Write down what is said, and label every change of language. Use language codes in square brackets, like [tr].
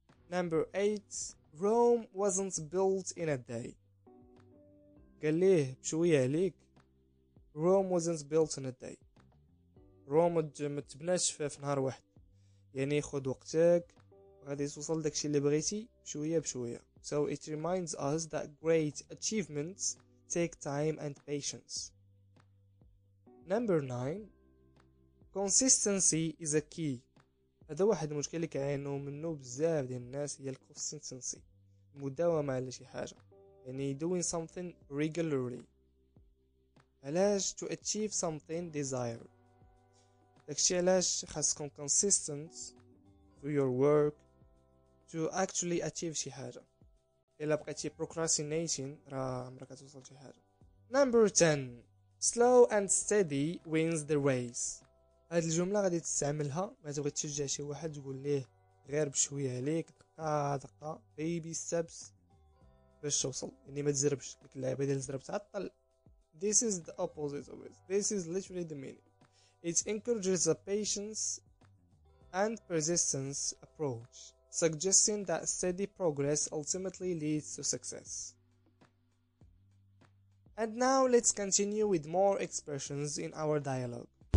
[en] Number 8, Rome wasn't built in a day. [ar] قال ليه بشوية عليك. [en] Rome wasn't built in a day. [ar] روم ما تبناش في نهار واحد, يعني خد وقتك وغادي توصل داكشي اللي بغيتي بشوية بشوية. [en] So it reminds us that great achievements take time and patience. Number 9, consistency is a key. [ar] هذا واحد المشكل اللي كيعانوا منه بزاف ديال الناس هي الكونسيستنسي, المداومه على شي حاجه, يعني [en] doing something regularly. [ar] علاش [en] to achieve something desired. [ar] داكشي علاش خاصكم [en] consistent through your work to actually achieve [ar] شي حاجه. الا بقيتي [en] procrastinating [ar] راه عمرك توصل شي حاجه. [en] Number 10, slow and steady wins the race. [ar] هاد الجملة غادي تستعملها ما تبغي تشجع شي واحد تقول ليه غير بشوية عليك دقة دقة بيبي ستبس باش توصل. يعني ما تزربش ديك اللعبة ديال الزرب تعطل. [en] This is the opposite of it. This is literally the meaning. It encourages a patience and persistence approach, suggesting that steady progress ultimately leads to success. And now let's continue with more expressions in our dialogue.